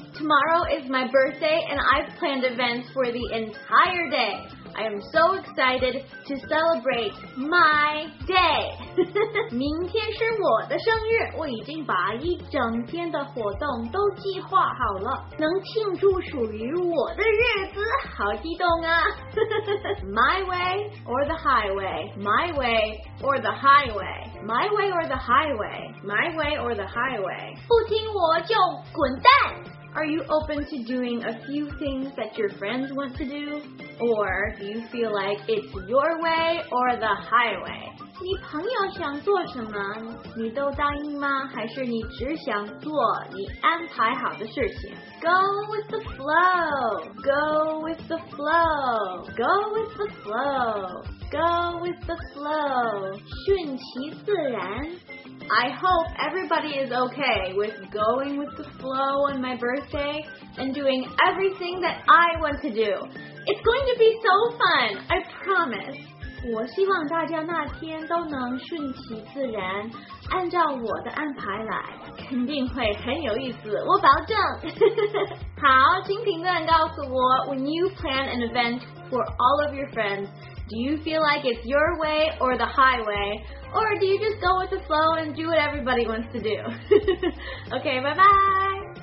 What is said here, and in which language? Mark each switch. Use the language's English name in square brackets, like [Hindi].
[English] Tomorrow is my birthday and I've planned events for the entire day. I am so excited to celebrate my day. [Chinese] 明天是我的生日，我已经把一整天的活动都计划好了。能庆祝属于我的日子，好激动啊。 [English] My way or the highway? My way or the highway? My way or the highway? My way or the highway? [Chinese] 不听我就滚蛋! [English] Are you open to doing a few things that your friends want to do? Or do you feel like it's your way or the highway? [Chinese] 你朋友想做什么?你都答应吗? 还是你只想做你安排好的事情? [English] Go with the flow! Go with the flow! Go with the flow! Go with the flow. [Chinese] 顺其自然。 [English] I hope everybody is okay with going with the flow on my birthday and doing everything that I want to do. It's going to be so fun, I promise. [Chinese] 我希望大家那天都能顺其自然，按照我的安排来，肯定会很有意思，我保证。好，请评论告诉我 [English] when you plan an event for all of your friends,Do you feel like it's your way or the highway? Or do you just go with the flow and do what everybody wants to do? Okay, bye-bye!